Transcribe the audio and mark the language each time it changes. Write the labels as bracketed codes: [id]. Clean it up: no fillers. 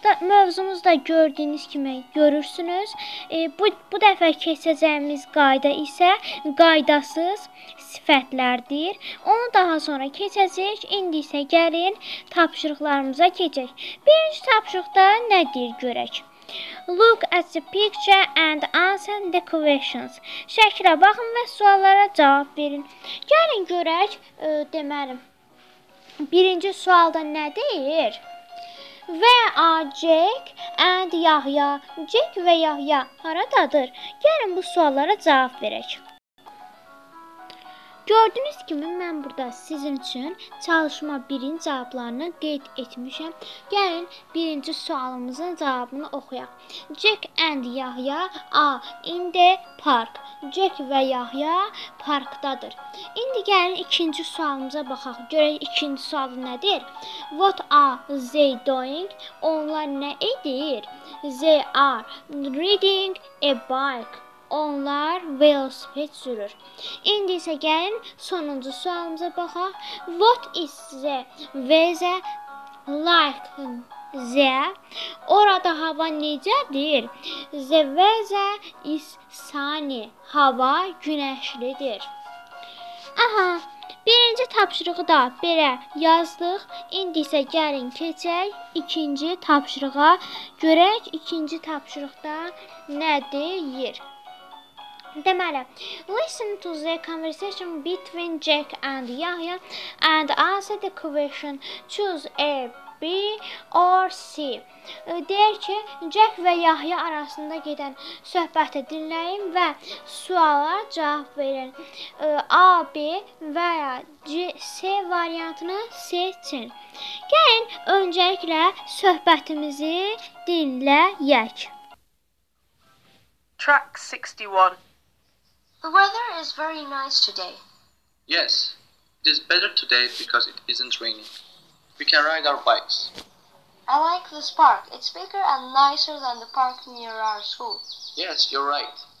[az] Mövzumuzda gördüyünüz kimi görürsünüz. Bu dəfə keçəcəyimiz qayda isə qaydasız sifətlərdir. Onu daha sonra keçəcək. İndi isə gəlin tapşırıqlarımıza keçək. Birinci tapşırıqda nədir görək? [en] Look at the picture and answer the questions. [az] Şəkilə baxın və suallara cavab verin. Gəlin görək, deməli, birinci sualda nə deyir? [en] Where are Jack and Yahya? [az] Jack və Yahya haradadır? Gəlin bu suallara cavab verək. Gördüyünüz kimi mən burada sizin üçün çalışma birinci cavablarını qeyd etmişəm. Gəlin birinci sualımızın cavabını oxuyaq. [en] Jack and Yahya are in the park. [az] Jack və Yahya parkdadır. İndi gəlin ikinci sualımıza baxaq. Görək ikinci sual nədir? [en] What are they doing? [az] Onlar nə edir? [en] They are riding a bike. [az] Onlar velosiped sürür. İndi isə gəlin sonuncu sualımıza baxaq. [en] What is the weather like there? [az] Orada hava necədir? [en] The weather is sunny. [az] Hava günəşlidir. Aha, birinci tapşırığı da belə yazdıq. İndi isə gəlin keçək ikinci tapşırığa. Görək ikinci tapşırıqda nə deyir? Deməli, [en] listen to the conversation between Jack and Yahya and answer the question. Choose A, B or C. [az] Deyir ki, Jack və Yahya arasında gedən söhbəti dinləyin və suala cavab verin. A, B və ya C variantını seçin. Gəlin, öncəliklə söhbətimizi dinləyək. [en] Track 61. The weather is very nice today. Yes, it is better today because it isn't raining. We can ride our bikes. I like this park. It's bigger and nicer than the park near our school. Yes, you're right.